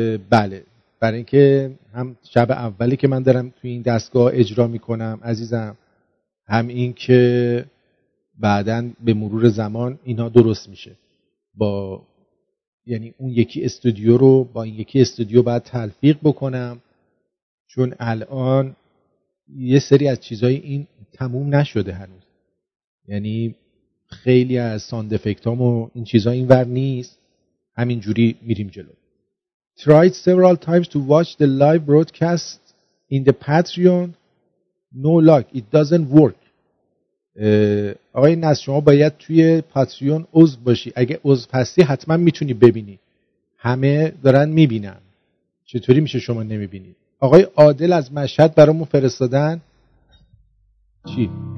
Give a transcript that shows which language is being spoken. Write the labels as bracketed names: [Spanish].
[Persian] بله برای اینکه هم شب اولی که من دارم توی این دستگاه اجرا میکنم عزیزم، هم این که بعدن به مرور زمان اینا درست میشه با یعنی اون یکی استودیو رو با این یکی استودیو باید تلفیق بکنم چون الان یه سری از چیزای این تموم نشده هنوز، یعنی خیلی از ساند افکت هامو این چیزا اینور نیست، همینجوری میریم جلو. [English] tried several times to watch the live broadcast in the Patreon. No luck. It doesn't work. [Persian] آقای نصر شما باید توی پاتریون عضو باشی. اگه عضو هستی حتما میتونی ببینی. همه دارن میبینن. چطوری میشه شما نمیبینید؟ آقای عادل از مشهد برامون فرستادن. چی؟